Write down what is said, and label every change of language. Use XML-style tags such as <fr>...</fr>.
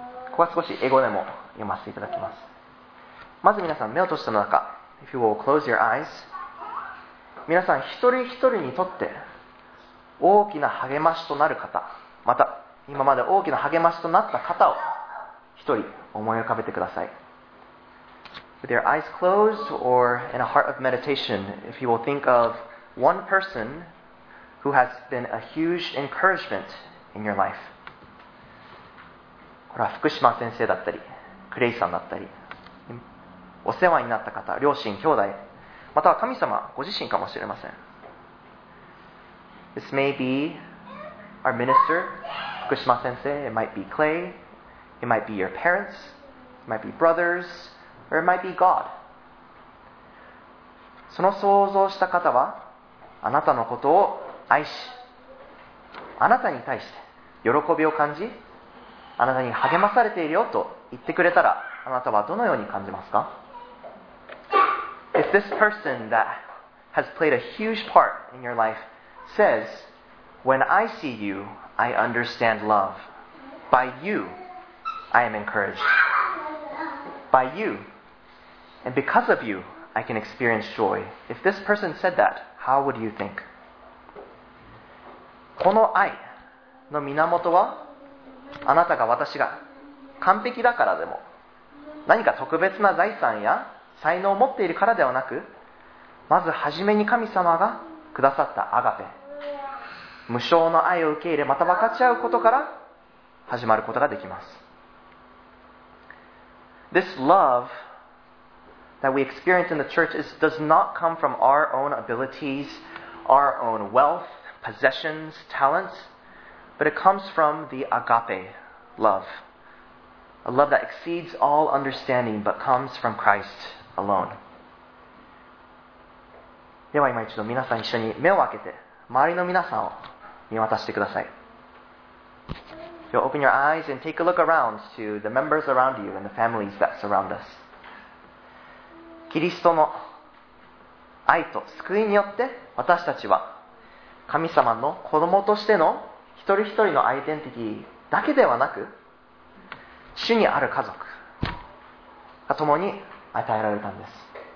<ja>ここは少し英語でも読ませていただきます。まず皆さん目を閉じた中、</ja> <en>If you will close your eyes、</en> <ja>皆さん一人一人にとって大きな励ましとなる方、また今まで大きな励ましとなった方を一人思い浮かべてください。</ja> <en>With your eyes closed or in a heart of meditation, if you will think of one person who has been a huge encouragement in your life。</en> <ja>これは福島先生だったりクレイさんだったり、お世話になった方、両親、兄弟、または神様ご自身かもしれません。</ja> <en>This may be our minister 福島先生、 It might be Clay、 It might be your parents、 It might be brothers、 Or it might be God。</en> <ja>その想像した方はあなたのことを愛し、あなたに対して喜びを感じ、あなたに励まされているよと言ってくれたら、あなたはどのように感じますか？</ja> <en>If this person that has played a huge part in your life says, When I see you, I understand love. By you, I am encouraged. By you, and because of you, I can experience joy. If this person said that, how would you think?</en> <ja>この愛の源は、あなたが私が完璧だからでも、何か特別な財産や才能を持っているからではなく、まず初めに神様がくださったアガペ、無償の愛を受け入れ、また分かち合うことから始まることができます。</ja> <en>This love that we experience in the church does not come from our own abilities, our own wealth,possessions, talents, but it comes from the agape love, a love that exceeds all understanding but comes from Christ alone.</en> <ja>では今一度皆さん一緒に目を開けて周りの皆さんを見渡してください。</ja> <en>You'll open your eyes and take a look around to the members around you and the families that surround us.</en> <ja>キリストの愛と救いによって私たちは神様の子供としての一人一人のアイデンティティだけではなく、主にある家族が共に与えられたんです。</ja>